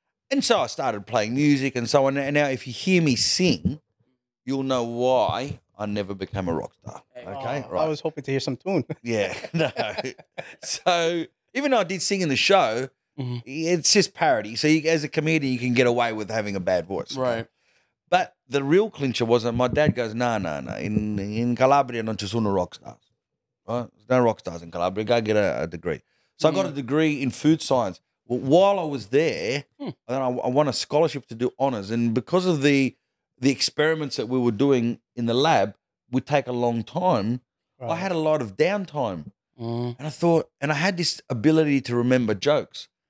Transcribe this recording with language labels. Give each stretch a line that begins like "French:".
English: And so I started playing music and so on. And now if you hear me sing, you'll know why I never became a rock star. Okay. Oh, right. I was hoping to hear some tune. Yeah. No. So even though I did sing in the show, mm-hmm. It's just parody. So as a comedian, you can get away with having a bad voice. Right. But the real clincher was that my dad goes, no.
Italian: In Calabria non ci sono rock stars.
English: Right? There's no rock stars in Calabria. Go get a degree. So I got a degree in food science. Well, while I was there, I won a scholarship to do honors. And because of the experiments that we were doing in the lab would take a long time. Right. I had a lot of downtime. And I thought, and I had this ability to remember jokes.